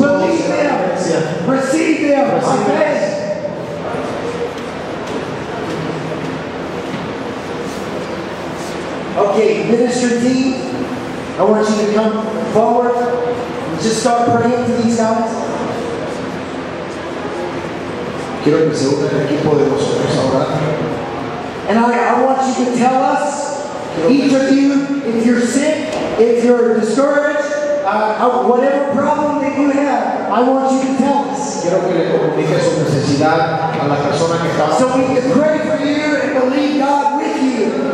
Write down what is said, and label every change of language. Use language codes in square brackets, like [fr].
[en] Receive them. Amen. Okay, Minister D, I want you to come forward and just start praying for these guys. [es] Quiero que se unan al equipo de nosotros ahora. [en] And I want you to tell us, each of you, if you're sick, if you're discouraged, whatever problem that you have, I want you to tell us. [es] Quiero que le comunique su necesidad a la persona que está. [en] So we can pray for you and believe God with you.